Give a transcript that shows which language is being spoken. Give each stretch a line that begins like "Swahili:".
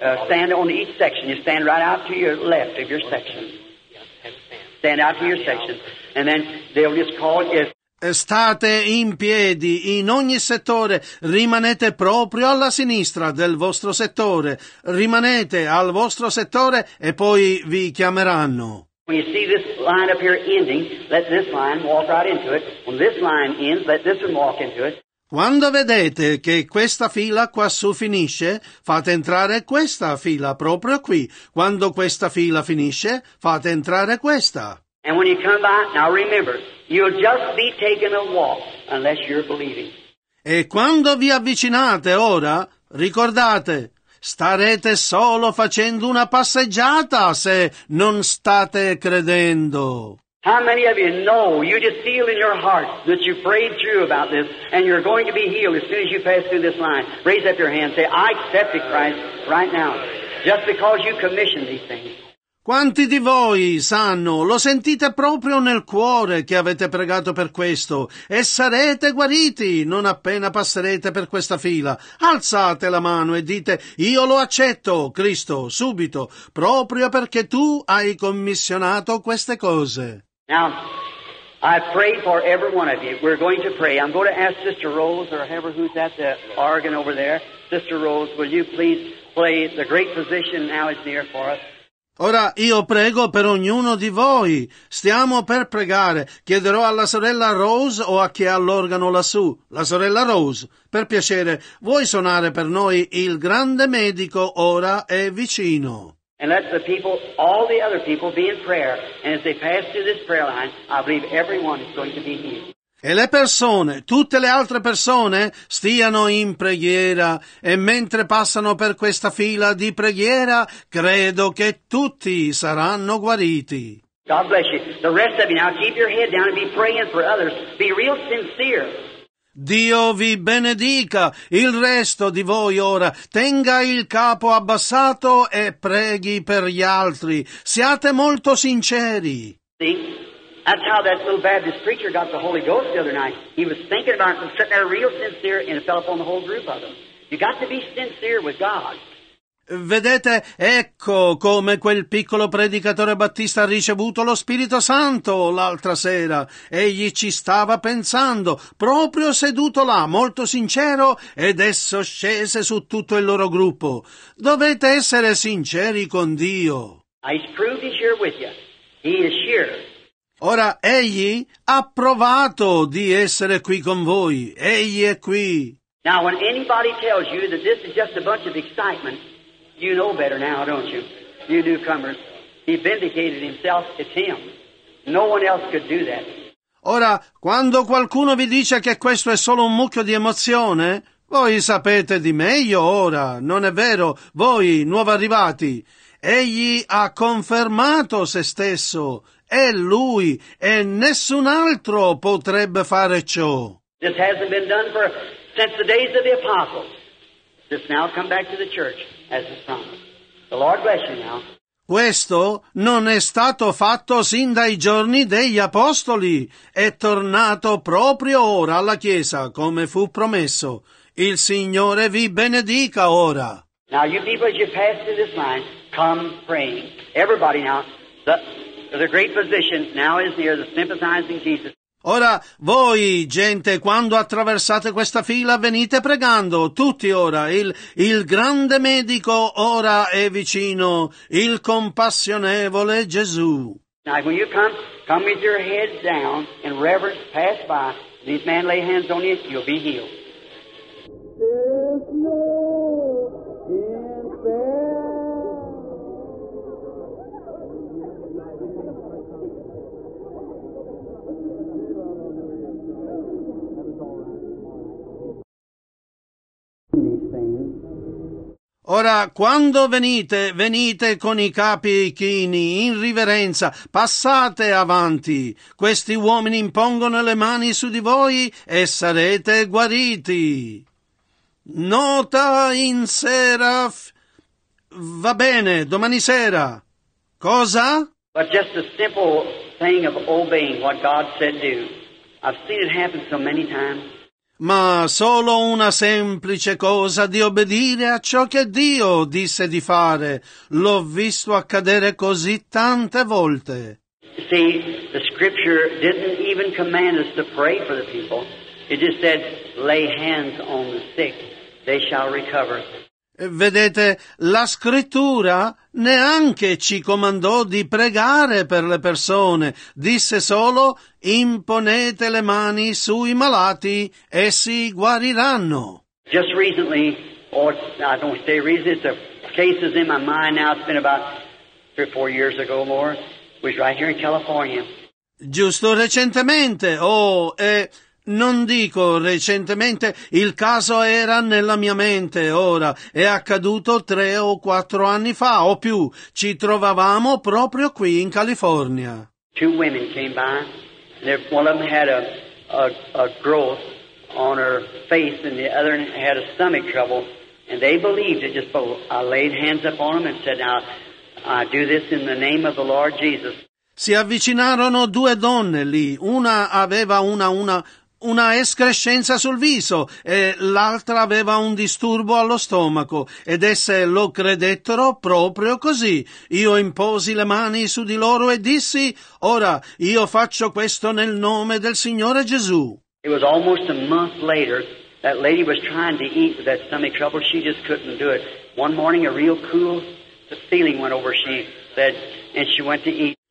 English: Stand on each section. You stand right out to your left of your section. Stand out to your section. And then they'll just call it.
Italian: State in piedi in ogni settore, rimanete proprio alla sinistra del vostro settore, rimanete al vostro settore e poi vi chiameranno.
English: When you see this line up here ending, let this line walk right into it. When this line ends, let this one walk into it.
Italian: Quando vedete che questa fila quassù finisce, fate entrare questa fila proprio qui. Quando questa fila finisce, fate entrare questa.
English: And when you come by, now remember, you'll just be taking a walk unless you're believing.
Italian: E quando vi avvicinate ora, ricordate, starete solo facendo una passeggiata se non state credendo.
English: How many of you know, you just feel in your heart that you prayed through about this and you're going to be healed as soon as you pass through this line? Raise up your hand. Say, I accept it, Christ, right now. Just because you commissioned these things.
Italian: Quanti di voi sanno, lo sentite proprio nel cuore che avete pregato per questo e sarete guariti non appena passerete per questa fila. Alzate la mano e dite, io lo accetto, Cristo, subito, proprio perché tu hai commissionato queste cose.
English: Now, I pray for every one of you. We're going to pray. I'm going to ask Sister Rose or whoever who's at the organ over there. Sister Rose, will you please play The Great Physician Now Is Near for us?
Italian: Ora io prego per ognuno di voi. Stiamo per pregare. Chiederò alla sorella Rose o a chi ha l'organo lassù. La sorella Rose, per piacere, vuoi suonare per noi Il Grande Medico Ora È Vicino?
English: And let the people, all the other people, be in prayer. And as they pass through this prayer line, I believe everyone is going to be healed.
Italian: E le persone, tutte le altre persone, stiano in preghiera. E mentre passano per questa fila di preghiera, credo che tutti saranno guariti.
English: God bless you. The rest of you now, keep your head down and be praying for others. Be real sincere.
Italian: Dio vi benedica. Il resto di voi ora tenga il capo abbassato e preghi per gli altri. Siate molto sinceri. Sì.
English: That's how that little Baptist preacher got the Holy Ghost the other night. He was thinking about it, was sitting there real sincere, and it fell upon the whole group of them. You got to be sincere with God.
Italian: Vedete, ecco come quel piccolo predicatore battista ha ricevuto lo Spirito Santo l'altra sera. Egli ci stava pensando, proprio seduto là, molto sincero, ed esso scese su tutto il loro gruppo. Dovete essere sinceri con Dio.
English: He's proved he's here with you. He is here.
Italian: Ora, egli ha provato di essere qui con voi. Egli è qui.
English: Now, when anybody tells you that this is just a bunch of excitement, you know better now, don't you? You newcomers. He vindicated himself. It's him. No one else could do that.
Italian: Ora, quando qualcuno vi dice che questo è solo un mucchio di emozione, voi sapete di meglio ora, non è vero? Voi, nuovi arrivati, egli ha confermato se stesso. È lui, e nessun altro potrebbe fare ciò.
English: This hasn't been done for since the days of the apostles. Just now come back to the church as is promised. The Lord bless you now.
Italian: Questo non è stato fatto sin dai giorni degli apostoli. È tornato proprio ora alla Chiesa, come fu promesso. Il Signore vi benedica ora.
English: Now you people, as you pass through this line, come praying. Everybody now, the great physician now is near, the sympathizing Jesus.
Italian: Ora, voi, gente, quando attraversate questa fila, venite pregando, tutti ora, il grande medico ora è vicino, il compassionevole Gesù. Now, when you come with your head down, in reverence, pass by, this man lay hands on you, you'll be healed. Ora, quando venite, venite con i capi chini, in riverenza, passate avanti. Questi uomini impongono le mani su di voi e sarete guariti. Nota in sera. Va bene, domani sera. Cosa?
English: But just a simple thing of obeying what God said do. I've seen it happen so many times.
Italian: Ma solo una semplice cosa di obbedire a ciò che Dio disse di fare. L'ho visto accadere così tante volte.
English: See, the scripture didn't even command us to pray for the people. It just said, lay hands on the sick, they shall recover.
Italian: Vedete, la scrittura neanche ci comandò di pregare per le persone, disse solo imponete le mani sui malati e si guariranno.
English: Just recently, or I don't say recently, the case is in my mind now, it's been about 3 or 4 years ago more, was right here in California.
Italian: Giusto recentemente, non dico recentemente, il caso era nella mia mente ora, è accaduto 3 o 4 anni fa o più, ci trovavamo proprio qui in California.
English: two women came by, and one of them had a growth on her face, and the other had a stomach trouble, and they believed it. Just both. I laid hands up on them and said, "Now, I do this in the name of the Lord Jesus."
Italian: Si avvicinarono due donne lì. Una aveva una escrescenza sul viso e l'altra aveva un disturbo allo stomaco, ed esse lo credettero proprio così. Io imposi le mani su di loro e dissi: "Ora io faccio questo nel nome del Signore Gesù."
English: It was almost a month later, that lady was trying to eat with that stomach trouble. She just couldn't do it. One morning a real cool feeling went over, she said, and she went to eat.